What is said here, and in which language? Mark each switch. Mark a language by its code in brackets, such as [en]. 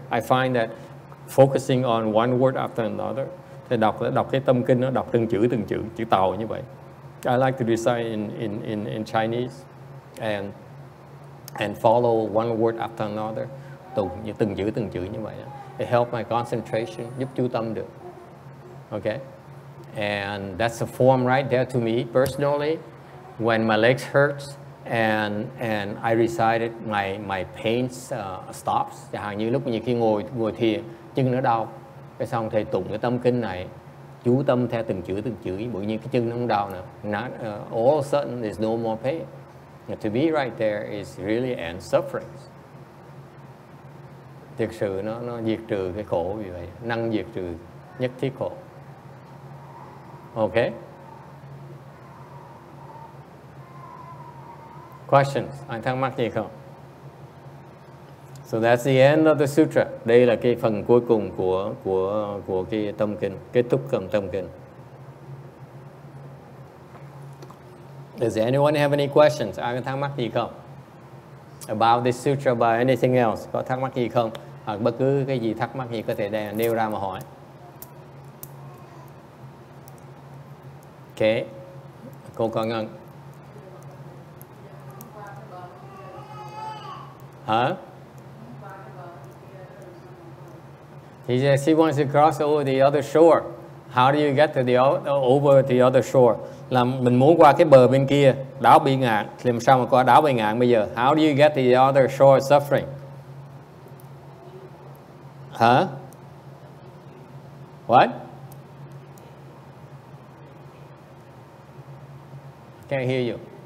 [en] I find that focusing on one word after another. [vi] Thầy đọc cái tâm kinh nó đọc từng chữ, chữ tàu như vậy. [en] I like to recite in Chinese and follow one word after another. [vi] Từng chữ như vậy. [en] It helps my concentration, [vi] giúp chú tâm được. [en] okay? And that's a form right there to me personally. When my legs hurt and I recited, my pains stops. [vi] Chẳng hạn như lúc nhiều khi ngồi thiền, chân nó đau. Cái xong thầy tụng cái tâm kinh này, chú tâm theo từng chữ, bỗng nhiên cái chân nó không đau nữa. [en] All of a sudden, there's no more pain. Now, to be right there is really end suffering. [vi] Thực sự nó diệt trừ cái khổ vì vậy, năng diệt trừ nhất thiết khổ. [en] Okay. Questions? [vi] Anh thắc mắc gì không? [en] So that's the end of the sutra. [vi] Đây là cái phần cuối cùng của cái tâm kinh, kết thúc phần tâm kinh. [en] Does anyone have any questions? [vi] Ai có thắc mắc gì không? [en] About this sutra, about anything else? [vi] Có thắc mắc gì không? Hoặc bất cứ cái gì thắc mắc gì có thể nêu ra mà hỏi. Okay. Cô có ngân. [en] He says he wants to cross over the other shore. How do you get to over the other shore? [vi] Là mình muốn qua cái bờ bên kia, đảo bị ngạn, làm sao mà qua đảo bị ngạn bây giờ? [en] How do you get to the other shore of suffering? Huh? What? Can't hear you.